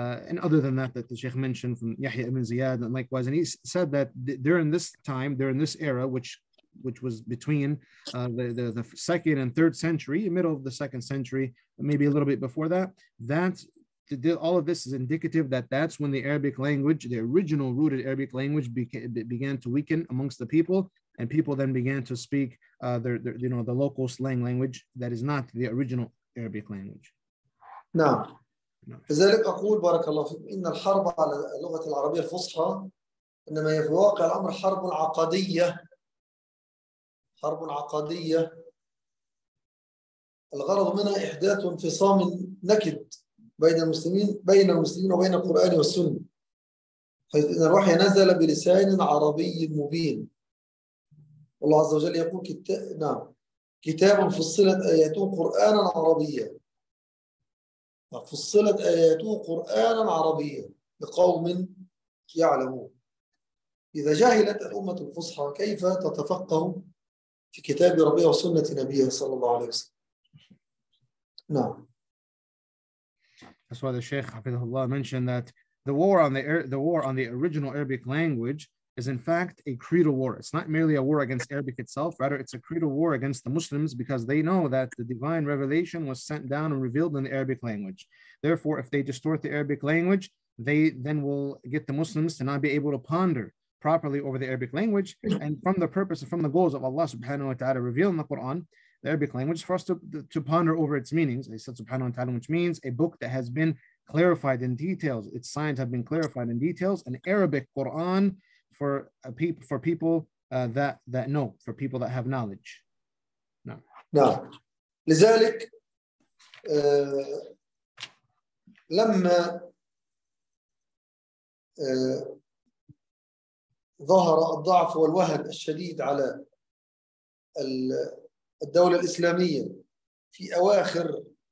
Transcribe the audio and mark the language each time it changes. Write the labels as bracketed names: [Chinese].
[English] and other than that, that the Sheikh mentioned from Yahya Ibn Ziyad, and likewise, and he said that during this time, during this era, which was between the second and third century, middle of the second century, maybe a little bit before that, all of this is indicative that that's when the Arabic language, the original rooted Arabic language, began to weaken amongst the people, and people then began to speak the local slang language that is not the original Arabic language. [Arabic] نعم. لذلك أقول بارك الله فيك إن الحرب على اللغة العربية الفصحى إنما هي في واقع الأمر حرب عقدية. الغرض منها إحداث انفصام نكد بين المسلمين وبين القرآن والسنة، حيث إن الوحي نزل بلسان عربي مبين. والله عز وجل يقول كتاب فصلت آياته قرآنا عربيا، فصلت آياته قرآنا عربيا لقوم يعلمون. إذا جهلت الأمة الفصحى كيف تتفقه في كتاب ربي وسنة نبيه صلى الله عليه وسلم. نعم. [English] That's why the Sheikh Hafidhullah mentioned that the war on the original Arabic language is in fact a creedal war. It's not merely a war against Arabic itself, rather it's a creedal war against the Muslims, because they know that the divine revelation was sent down and revealed in the Arabic language. Therefore, if they distort the Arabic language, they then will get the Muslims to not be able to ponder properly over the Arabic language. And from the purpose and from the goals of Allah subhanahu wa ta'ala revealed in the Quran, the Arabic language, for us to ponder over its meanings, I said subhanahu wa ta'ala, which means a book that has been clarified in details, its signs have been clarified in details, an Arabic Quran for a people, for people that know, for people that have knowledge. No. No. [Arabic] لذلك لما ظهر الضعف والوهن الشديد على الدولة الإسلامية في أواخر